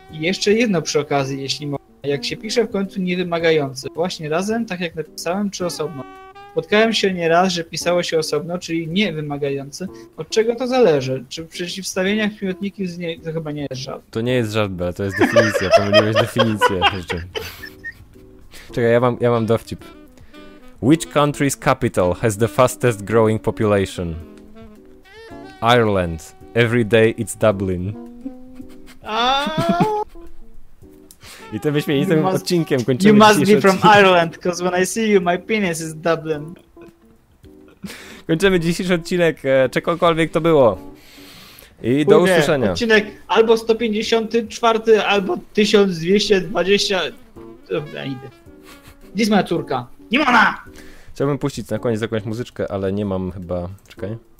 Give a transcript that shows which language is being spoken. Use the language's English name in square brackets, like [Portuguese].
[Polish] I jeszcze jedno przy okazji, jeśli można. Jak się pisze w końcu niewymagający. Właśnie razem, tak jak napisałem, czy osobno. Spotkałem się nieraz, że pisało się osobno, czyli niewymagający. Od czego to zależy? Czy w przeciwstawieniach śmiotniki z niej to chyba nie jest żart? To nie jest żart, to jest definicja. Pomyliłeś definicję. Czekaj, ja mam dowcip. [English] Which country's capital has the fastest growing population? Ireland. Every day it's Dublin. [Polish] I to byśmy tym odcinkiem kończymy. [English] You must be from Ireland, because when I see you, my penis is Dublin. [Polish] Kończymy dzisiejszy odcinek, czegokolwiek to było. I pójdę. Do usłyszenia. Odcinek albo 154, albo 1220. Dobra, idę. Gdzie jest moja córka? Nie ma ona! Chciałbym puścić na koniec jakąś muzyczkę, ale nie mam chyba. Czekaj.